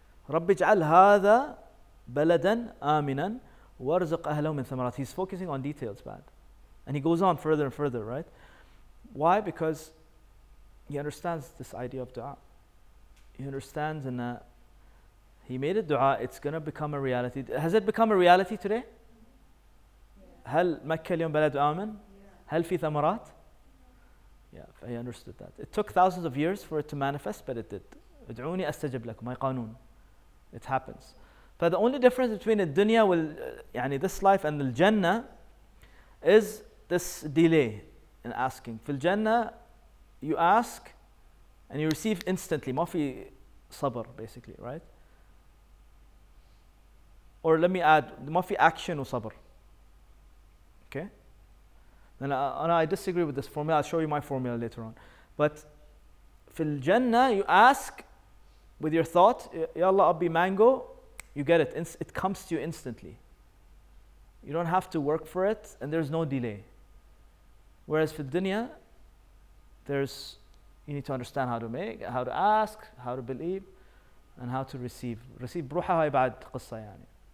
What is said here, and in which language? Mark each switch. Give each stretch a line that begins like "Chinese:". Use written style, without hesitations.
Arabic: رب اجعل هذا بلدا آمنا وارزق أهله من ثمرات.
English: He's focusing on details, bad. And he goes on further and further, right? Why? Because he understands this idea of dua. He understands in that he made a dua, it's going to become a reality. Has it become a reality today?
Arabic: هل مكة اليوم بلد آمن؟ هل في ثمرات؟
English: Yeah, I understood that. It took thousands of years for it to manifest, but it did.
Arabic: ادعوني استجب لكم,
English: my
Arabic: قانون.
English: It happens. But the only difference between the dunya, this life and the Jannah, is this delay in asking.
Arabic: في الجنة,
English: you ask and you receive instantly.
Arabic: ما في صبر,
English: basically, right? Or let me add,
Arabic: ما في
English: action
Arabic: وصبر.
English: Okay? And I disagree with this formula. I'll show you my formula later on. But
Arabic: في الجنة,
English: you ask with your thought, Ya Allah, I'll be mango. You get it. It comes to you instantly. You don't have to work for it, and there's no delay. Whereas for dunya, you need to understand how to ask, how to believe, and how to receive. Receive
Arabic: بروحها بعد قصة يعني.